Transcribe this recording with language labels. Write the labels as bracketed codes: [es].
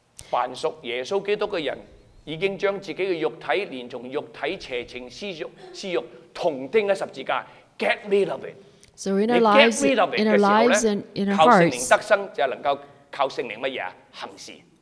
[yue] 凡屬耶穌基督嘅人，已經將自己嘅肉體連同肉體邪情私欲同釘喺十字架。 [en] Get rid of it. So in our lives, and in our hearts, [yue] 靠圣灵得生就能够靠圣灵乜嘢行事。